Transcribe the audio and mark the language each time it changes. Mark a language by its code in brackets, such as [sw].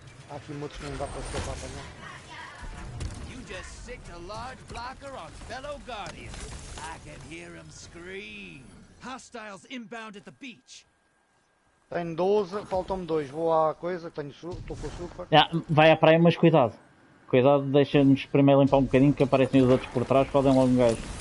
[pt] Aqui muitos não dá para ser para apanhar. [en] You just sicked a large blocker on fellow guardians. I can hear him scream. Hostiles inbound at the beach. [pt] Tenho 12, faltam-me 2. Vou à coisa, tenho super, estou com super. Já, vai à praia, mas cuidado. Cuidado, deixa-nos primeiro limpar um bocadinho que aparecem os outros por trás, podem logo um gajo.